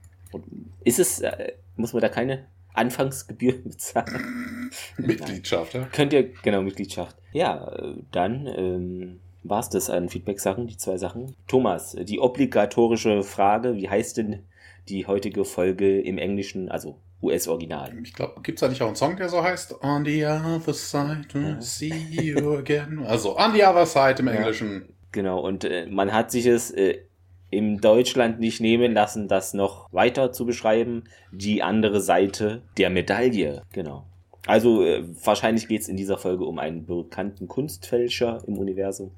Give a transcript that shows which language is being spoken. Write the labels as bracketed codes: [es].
[de] Und ist es, muss man da keine Anfangsgebühr bezahlen? Mitgliedschaft, ja. Könnt ihr, genau, Mitgliedschaft. Ja, dann war es das an Feedback-Sachen, die zwei Sachen. Thomas, die obligatorische Frage, wie heißt denn die heutige Folge im Englischen, also US-Original? Ich glaube, gibt es da nicht auch einen Song, der so heißt? [en] On the other side, see you again. [de] Also, [en] on the other side [de] im Englischen. Genau, und man hat sich es im Deutschland nicht nehmen lassen, das noch weiter zu beschreiben. Die andere Seite der Medaille, genau. Also wahrscheinlich geht es in dieser Folge um einen bekannten Kunstfälscher im Universum,